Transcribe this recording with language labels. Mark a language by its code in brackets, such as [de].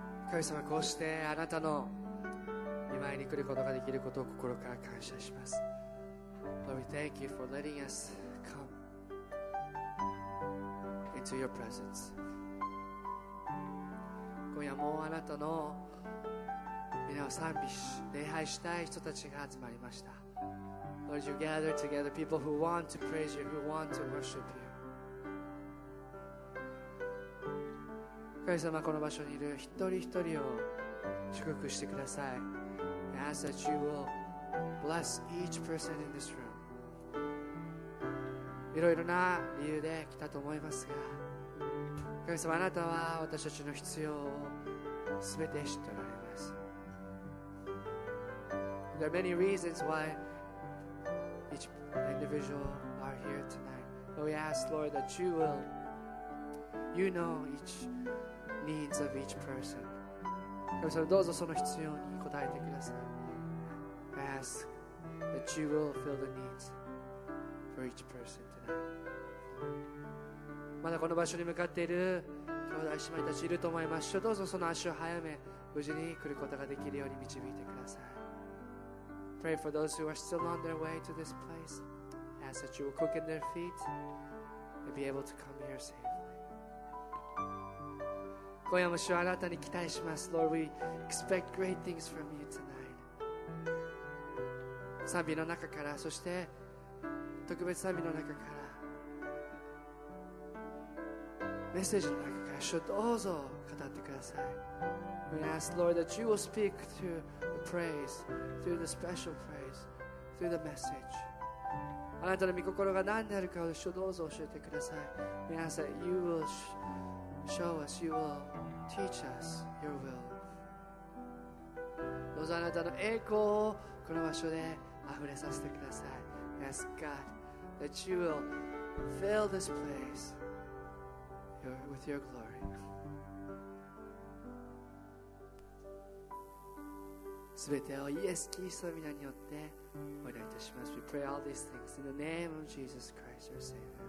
[ja] 神様、こうしてあなたの御前に来ることができることを心から感謝します。 [en] Lord, we thank you for letting us come into your presence. [ja] 今夜もあなたの皆を賛美し礼拝したい人たちが集まりました。 [en] Lord, you gather together people who want to praise you, who want to worship you. [ja] 神様、この場所にいる一人一人を祝福してください。 [en] I ask that you will bless each person in this room. [ja] いろいろな理由で来たと思いますが、神様、あなたは私たちの必要を全て知っておられます。 [en] There are many reasons why each individual are here tonight. But we ask, Lord, that you will, you know each. Needs of each person. [ja] 神様、どうぞその必要に応えてください。 [en] I ask that you will fill the needs for each person tonight. [ja] まだこの場所に向かっている兄弟姉妹たちいると思います。どうぞその足を早め、無事に来ることができるように導いてください。 [en] Pray for those who are still on their way to this place. I ask that you will quicken their feet and be able to come here safe. [ja] 今夜も主はあなたに期待します。 [en] Lord, we expect great things from you tonight. [ja] 賛美の中から、そして特別賛美の中から、メッセージの中から、主をどうぞ語ってください。 [en] We ask, Lord, that you will speak through the praise, through the special praise, through the message. [ja] あなたの御心が何であるかを主をどうぞ教えてください。 [en] We ask that you will show us, you will. Teach us your will. [ja] どうぞあなたの栄光をこの場所で溢れさせてください。 [en] Ask God that you will fill this place with your glory. [ja] 全てをイエス・キリストの名によってお祈りいたします。 [en] We pray all these things in the name of Jesus Christ, your Savior.